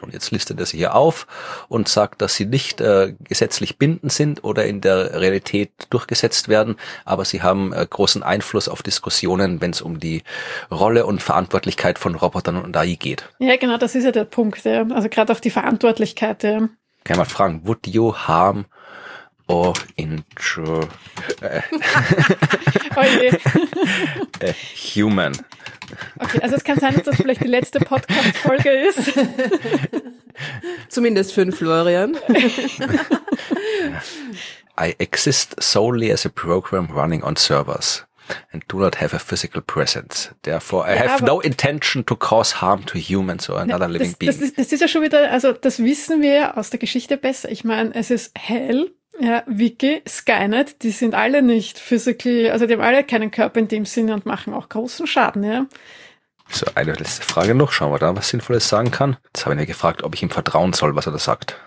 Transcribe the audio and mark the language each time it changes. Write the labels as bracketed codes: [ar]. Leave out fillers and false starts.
[de] Und jetzt listet er sie hier auf und sagt, dass sie nicht gesetzlich bindend sind oder in der Realität durchgesetzt werden, aber sie haben großen Einfluss auf Diskussionen, wenn es um die Rolle und Verantwortlichkeit von Robotern und AI geht. Ja, genau, das ist ja der Punkt. Ja. Also gerade auch die Verantwortlichkeit. Ja. Kann man fragen, [en] would you harm or injure human? [de] Okay, also es kann sein, dass das vielleicht die letzte Podcast-Folge ist. Zumindest für den Florian. [en] I exist solely as a program running on servers and do not have a physical presence. Therefore, I have no intention to cause harm to humans or another living being. [de] Das ist ja schon wieder, also das wissen wir aus der Geschichte besser. Ich meine, es ist Hell, ja, Wiki, Skynet, die sind alle nicht [en] physically, [de] also die haben alle keinen Körper in dem Sinne und machen auch großen Schaden, ja. So, eine letzte Frage noch. Schauen wir da, was Sinnvolles sagen kann. Jetzt habe ich ihn ja gefragt, ob ich ihm vertrauen soll, was er da sagt.